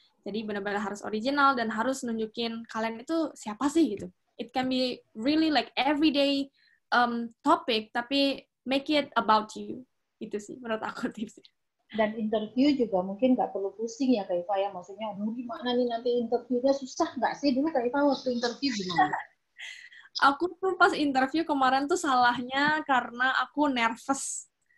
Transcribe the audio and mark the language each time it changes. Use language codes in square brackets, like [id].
[id] Jadi benar-benar harus original dan harus nunjukin kalian itu siapa sih gitu. [en] It can be really like everyday topic, [id] tapi [en] make it about you. [id] Itu sih menurut aku tipsnya. Dan interview juga mungkin nggak perlu pusing ya Kak Ifa ya. Maksudnya gimana nih nanti interviewnya, susah nggak sih dulu Kak Ifa waktu interview gimana? Aku tuh pas interview kemarin tuh salahnya karena aku nervous.